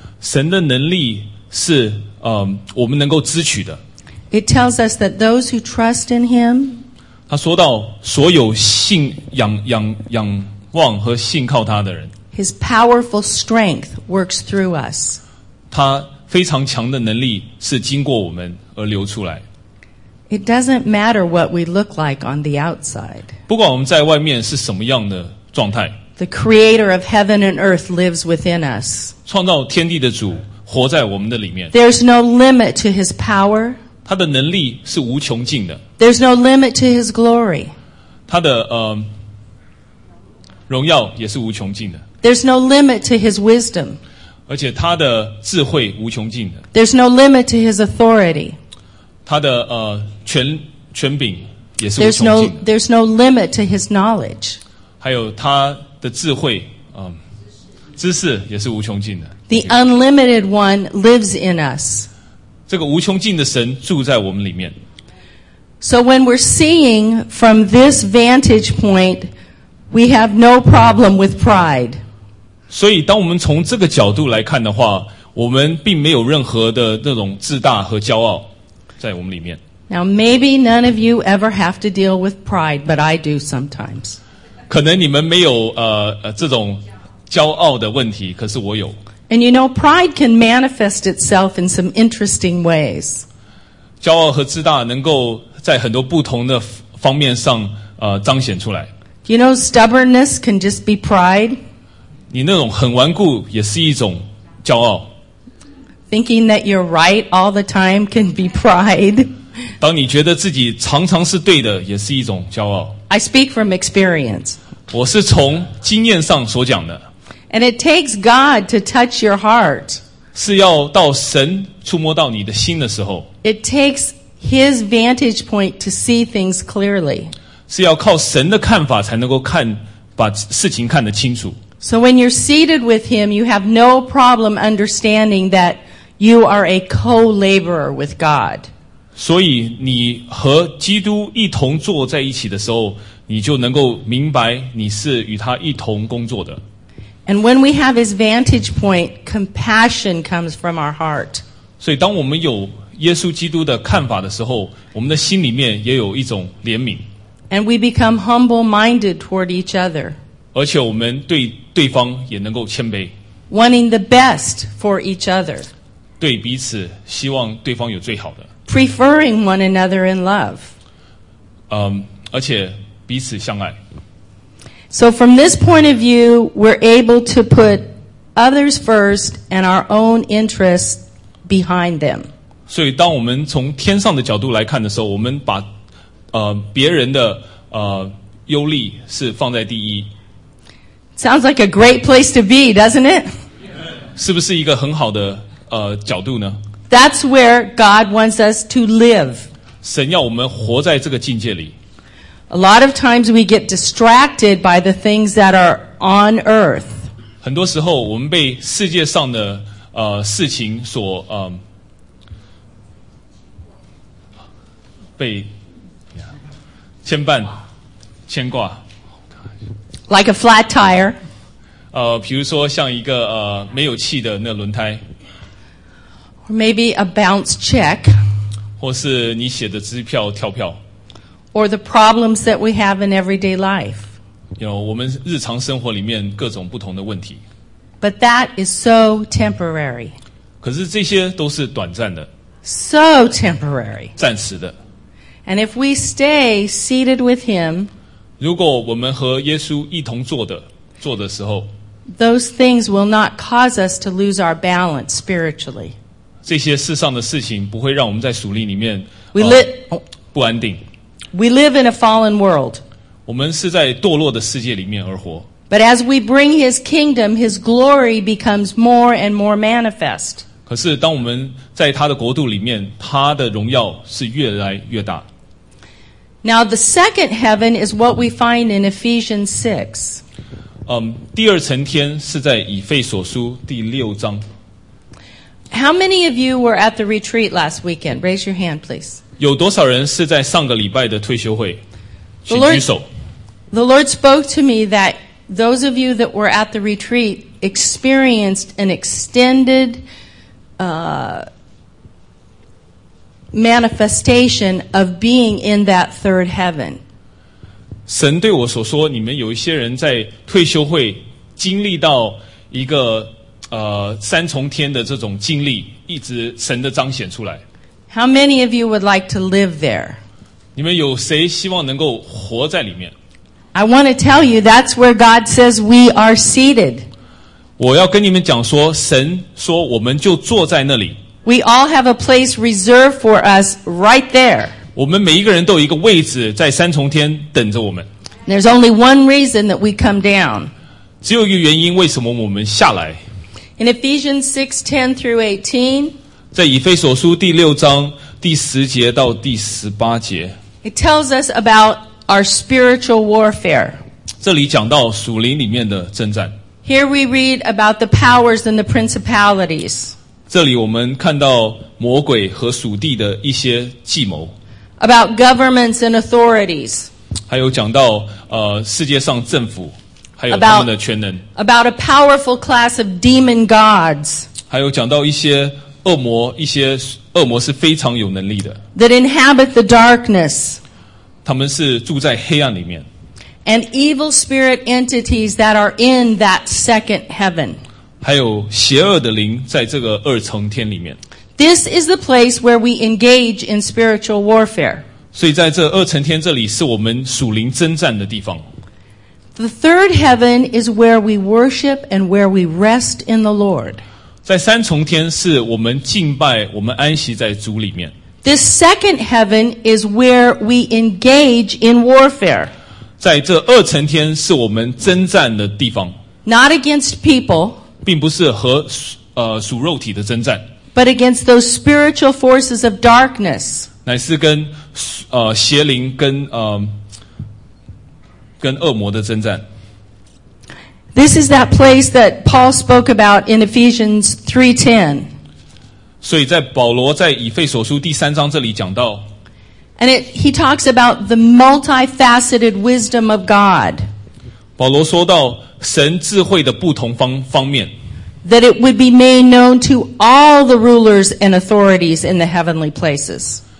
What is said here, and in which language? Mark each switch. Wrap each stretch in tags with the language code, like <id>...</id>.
<zh>神的能力是我们能够支取的。</zh> <en>It tells us that those who trust in Him.</en> <zh>他说到所有信仰望和信靠他的人。</zh> <en>His powerful strength works through us.</en> <zh>他非常强的能力是经过我们而流出来。</zh> <en>It doesn't matter what we look like on the outside.</en> <zh>不管我们在外面是什么样的状态。</zh> <en>The creator of heaven and earth lives within us.</en> <zh>创造天地的主活在我们的里面。</zh> <en>There's no limit to his power.</en> <zh>他的能力是无穷尽的。</zh> <en>There's no limit to his glory.</en> <zh>他的荣耀也是无穷尽的。</zh> <en>There's no limit to his wisdom.</en> <zh>而且他的智慧无穷尽的。</zh> <en>There's no limit to his authority.</en> <zh>他的权柄也是无穷尽的。</zh> <en>There's no limit to his knowledge.</en> <zh>还有他的智慧知识也是无穷尽的。</zh> <en>The unlimited one lives in us.</en> <zh>这个无穷尽的神住在我们里面。</zh> <en>So when we're seeing from this vantage point, we have no problem with pride.</en> <zh>所以当我们从这个角度来看的话，我们并没有任何的那种自大和骄傲。在我们里面</zh> <en>Now, maybe none of you ever have to deal with pride, but I do sometimes.</en> <zh>可能你们没有这种骄傲的问题，可是我有。</zh> <en>And you know, pride can manifest itself in some interesting ways.</en> <zh>骄傲和自大能够在很多不同的方面上彰显出来。</zh> <en>You know, stubbornness can just be pride.</en> <zh>你那种很顽固也是一种骄傲。</zh> <en>Thinking that you're right all the time can be pride.</en> <zh>当你觉得自己常常是对的也是一种骄傲。</zh> <en>I speak from experience.</en> <zh>我是从经验上所讲的。</zh> <en>And it takes God to touch your heart.</en> <zh>是要到神触摸到你的心的时候。</zh> <en>It takes His vantage point to see things clearly.</en> <zh>是要靠神的看法才能够看，把事情看得清楚。</zh> <en>So when you're seated with Him, you have no problem understanding that you are a co-laborer with God.</en> <zh>所以你和基督一同坐在一起的时候，你就能够明白你是与他一同工作的。</zh> <en>And when we have His vantage point, compassion comes from our heart.</en> <zh>所以当我们有耶稣基督的看法的时候，我们的心里面也有一种怜悯。</zh> <en>And we become humble-minded toward each other.</en> <zh>而且我们对对方也能够谦卑。</zh> <en>Wanting the best for each other.</en> <zh>对彼此希望对方有最好的。</zh> <en>Preferring one another in love.</en> <zh>而且彼此相爱。</zh> <en>So from this point of view, we're able to put others first and our own interests behind them.</en> <zh>所以当我们从天上的角度来看的时候，我们把别人的忧虑是放在第一。</zh> <en>Sounds like a great place to be, doesn't it?</en> <zh>是不是一个很好的角度呢？</zh> <en>That's where God wants us to live.</en> <zh>神要我们活在这个境界里。</zh> <en>A lot of times we get distracted by the things that are on earth.</en> <zh>很多时候我们被世界上的事情所被牵绊牵挂。</zh> <en>Like a flat tire.</en> <zh>比如说像一个没有气的那轮胎。</zh> <en>Or maybe a bounce check.</en> <zh>或是你写的支票跳票。</zh> <en>Or the problems that we have in everyday life. You know,</en> <zh>我们日常生活里面各种不同的问题。</zh> <en>But that is so temporary.</en> <zh>可是这些都是短暂的。</zh> <en>So temporary.</en> <zh>暂时的。</zh> <en>And if we stay seated with Him,</en> <zh>如果我们和耶稣一同坐的时候，</zh> <en>those things will not cause us to lose our balance spiritually.</en> <zh>这些世上的事情不会让我们在属灵里面不安定。</zh> <en>We live in a fallen world.</en> <zh>我们是在堕落的世界里面而活。</zh> <en>But as we bring His kingdom, His glory becomes more and more manifest.</en> <zh>可是当我们在他的国度里面，他的荣耀是越来越大。</zh> <en>Now the second heaven is what we find in Ephesians 6.</en> <zh>第二层天是在以腓所书第六章。</zh> <en>How many of you were at the retreat last weekend? Raise your hand, please.</en> <zh>有多少人是在上个礼拜的退休会？请举手。</zh> <en>The Lord spoke to me that those of you that were at the retreat experienced an extended manifestation of being in that third heaven.</en> <zh>神对我所说，你们有一些人在退休会经历到一个三重天的这种经历，一直神的彰显出来。</zh> <en>How many of you would like to live there?</en> <zh>你们有谁希望能够活在里面？</zh> <en>I want to tell you that's where God says we are seated.</en> <zh>我要跟你们讲说，神说我们就坐在那里。</zh> <en>We all have a place reserved for us right there.</en> <zh>我们每一个人都有一个位置在三重天等着我们。</zh> <en>There's only one reason that we come down.</en> <zh>只有一个原因为什么我们下来。</zh> <en>In Ephesians 6:10 through 18,</en> <zh>在以腓所书第六章第十节到第十八节，</zh> <en>It tells us about our spiritual warfare.</en> <zh>这里讲到属灵里面的征战。</zh> <en>Here we read about the powers and the principalities.</en> <zh>这里我们看到魔鬼和属地的一些计谋。</zh> <en>About governments and authorities.</en> <zh>还有讲到世界上政府还有他们的全能。</zh> <en>About a powerful class of demon gods.</en> <zh>还有讲到一些恶魔，一些恶魔是非常有能力的。</zh> <en>that inhabit the darkness.</en> <zh>他们是住在黑暗里面。</zh> <en>And evil spirit entities that are in that second heaven.</en> <zh>还有邪恶的灵在这个二层天里面。</zh> <en>This is the place where we engage in spiritual warfare.</en> <zh>所以在这二层天这里是我们属灵征战的地方。</zh> <en>The third heaven is where we worship and where we rest in the Lord.</en> <zh>在三重天是我们敬拜，我们安息在主里面。</zh> <en>This second heaven is where we engage in warfare.</en> <zh>在这二层天是我们征战的地方。</zh> <en>Not against people.</en> <zh>并不是和属肉体的征战。</zh> <en>But against those spiritual forces of darkness.</en> <zh>乃是跟邪灵跟跟恶魔的征战。</zh> <en>This is that place that Paul spoke about in Ephesians 3:10.</en> <zh>所以在保罗在以腓所书第三章这里讲到。</zh> <en>And he talks about the multifaceted wisdom of God.</en> <zh>保罗说到神智慧的不同方面。</zh> <en>That it would be made known to all the rulers and authorities in the heavenly places.</en>